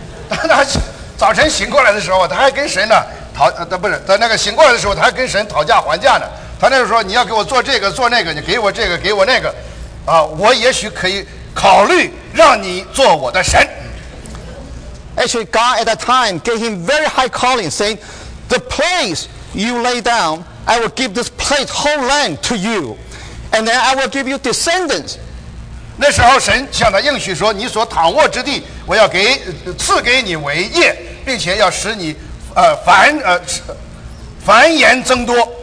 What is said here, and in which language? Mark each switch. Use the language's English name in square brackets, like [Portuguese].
[Chinese] 他早晨醒过来的时候，他还跟神呢讨，不是他那个醒过来的时候，他还跟神讨价还价呢。他那时候说你要给我做这个做那个，你给我这个给我那个，啊，我也许可以考虑让你做我的神。 [English] Actually, God at that time gave him very high calling, saying, "The place you lay down, I will give this place whole land to you, and then I will give you descendants." [Chinese] 那时候神向他应许说，你所躺卧之地，我要给赐给你为业，并且要使你繁衍增多。